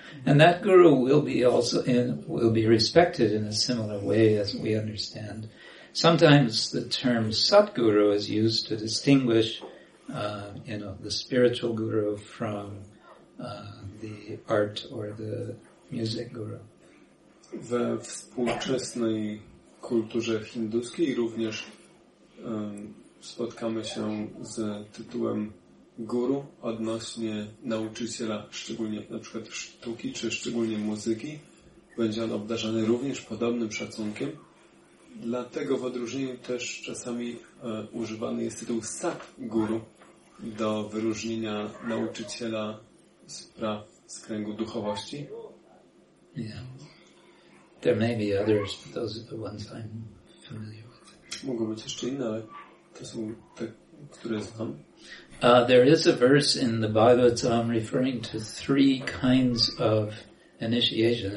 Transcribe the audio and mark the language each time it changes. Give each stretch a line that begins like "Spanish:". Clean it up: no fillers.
English: And that guru will be respected in a similar way as we understand. Sometimes the term Satguru is used to distinguish, the spiritual guru from the art or the music guru.
Polish: We współczesnej kulturze hinduskiej również spotkamy się z tytułem guru odnośnie nauczyciela, szczególnie na przykład sztuki czy szczególnie muzyki. Będzie on obdarzany również podobnym szacunkiem. Dlatego w odróżnieniu też czasami używany jest tytuł sat guru do wyróżnienia nauczyciela spraw z kręgu duchowości.
English: Yeah. There may be others, but those are the ones I'm familiar with.
Polish: Mogą być jeszcze inne, ale to są te, które znam.
English: There is a verse in the Bhagavatam referring to three kinds of initiation.